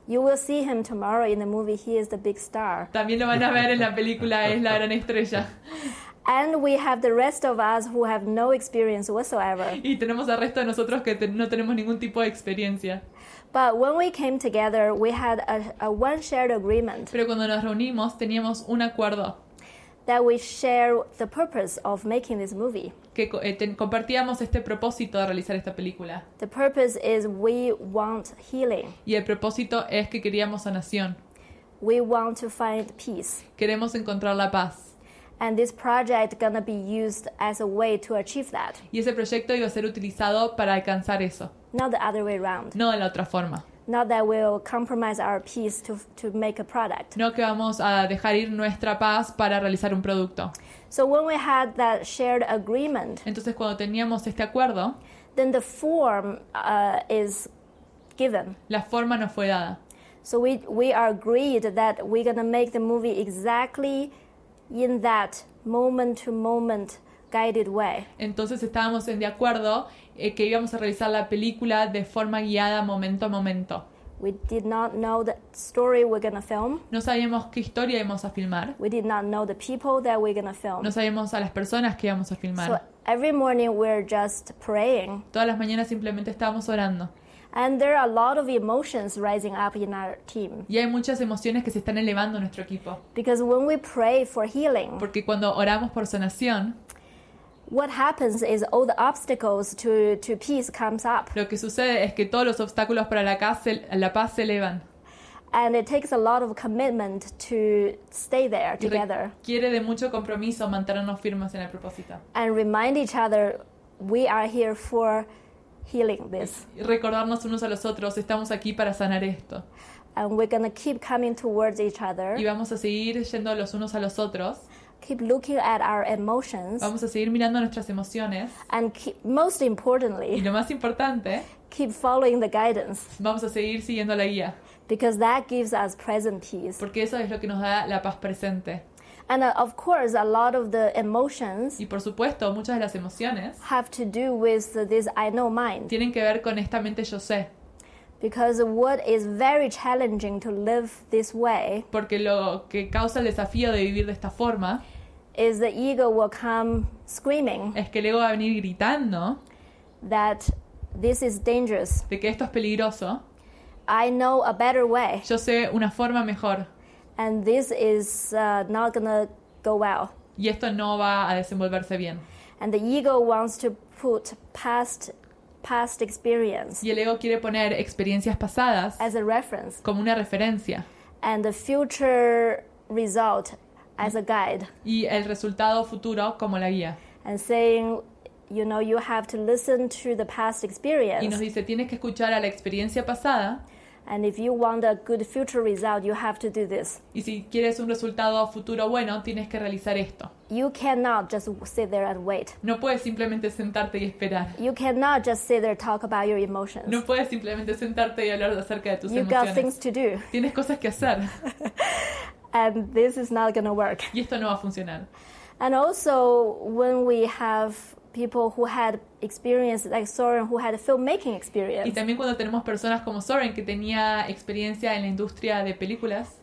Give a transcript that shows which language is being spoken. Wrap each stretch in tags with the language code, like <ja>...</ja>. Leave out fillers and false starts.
<en>You will see him tomorrow in the movie. He is the big star.</en> <es>También lo van a ver en la película, es la gran estrella.</es> <en>And we have the rest of us who have no experience whatsoever.</en> <es>Y tenemos al resto de nosotros que no tenemos ningún tipo de experiencia.</es> <en>But when we came together, we had a one shared agreement.</en> <es>Pero cuando nos reunimos, teníamos un acuerdo.</es> <en>That we share the purpose of making this movie.</en> <es>Que compartíamos este propósito de realizar esta película.</es> <en>The purpose is we want healing.</en> <es>Y el propósito es que queríamos sanación.</es> <en>We want to find peace.</en> <es>Queremos encontrar la paz.</es> <en>And this project is going to be used as a way to achieve that.</en> <es>Y ese proyecto iba a ser utilizado para alcanzar eso.</es> <en>Not the other way around.</en> <es>No de la otra forma.</es> <en>Not that we'll compromise our peace to make a product.</en> <es>No que vamos a dejar ir nuestra paz para realizar un producto.</es> <en>So when we had that shared agreement,</en> <es>entonces cuando teníamos este acuerdo,</es> <en>then the form is given.</en> <es>La forma nos fue dada.</es> <en>So we are agreed that we're going to make the movie exactly in that moment-to-moment guided way.</en> <es>Entonces estábamos de acuerdo que íbamos a realizar la película de forma guiada momento a momento.</es> <en>We did not know the story we're going to film.</en> <es>No sabíamos qué historia íbamos a filmar.</es> <en>We did not know the people that we're going to film.</en> <es>No sabíamos a las personas que íbamos a filmar.</es> <en>So every morning we're just praying.</en> <es>Todas las mañanas simplemente estábamos orando.</es> <en>And there are a lot of emotions rising up in our team.</en> <es>Y hay muchas emociones que se están elevando en nuestro equipo.</es> <en>Because when we pray for healing,</en> <es>porque cuando oramos por sanación,</es> <en>what happens is all the obstacles to peace comes up.</en> <es>Lo que sucede es que todos los obstáculos para la paz se elevan.</es> <en>And it takes a lot of commitment to stay there together.</en> <es>Quiere de mucho compromiso mantenernos firmes en el propósito.</es> <en>And remind each other we are here for healing this.</en> <es>Y recordarnos unos a los otros, estamos aquí para sanar esto.</es> <en>And we're going to keep coming towards each other.</en> <es>Y vamos a seguir yendo los unos a los otros.</es> <en>Keep looking at our emotions.</en> <es>Vamos a seguir mirando nuestras emociones.</es> <en>And keep, most importantly,</en> <es>y lo más importante,</es> <en>keep following the guidance.</en> <es>Vamos a seguir siguiendo la guía.</es> <en>Because that gives us present peace.</en> <es>Porque eso es lo que nos da la paz presente.</es> <en>And of course, a lot of the emotions,</en> <es>y por supuesto, muchas de las emociones,</es> <en>have to do with this I know mind.</en> <es>Tienen que ver con esta mente yo sé.</es> <en>Because what is very challenging to live this way,</en> <es>porque lo que causa el desafío de vivir de esta forma,</es> <en>is the ego will come screaming,</en> <es>es que el ego va a venir gritando,</es> <en>that this is dangerous,</en> <es>de que esto es peligroso.</es> <en>I know a better way.</en> <es>Yo sé una forma mejor.</es> <en>And this is not gonna go well.</en> <es>Y esto no va a desenvolverse bien.</es> <en>And the ego wants to put past experience.</en> <es>Y el ego quiere poner experiencias pasadas</es> <en>as a reference.</en> <es>Como una referencia.</es> <en>And the future result as a guide.</en> <es>Y el resultado futuro como la guía.</es> <en>And saying, you know, you have to listen to the past experience.</en> <es>Y nos dice, tienes que escuchar a la experiencia pasada.</es> <en>And if you want a good future result, you have to do this.</en> <es>Y si quieres un resultado futuro bueno, tienes que realizar esto.</es> <en>You cannot just sit there and wait.</en> <es>No puedes simplemente sentarte y esperar.</es> <en>You cannot just sit there and talk about your emotions.</en> <es>No puedes simplemente sentarte y hablar acerca de tus you emociones.</es> <en>You got things to do.</en> <es>Tienes cosas que hacer.</es> <en>And this is not going to work.</en> <es>Y esto no va a funcionar.</es> <en>And also, when we have people who had experience like Soren who had a filmmaking experience.</en> <es>Y también cuando tenemos personas como Soren que tenía experiencia en la industria de películas.</es>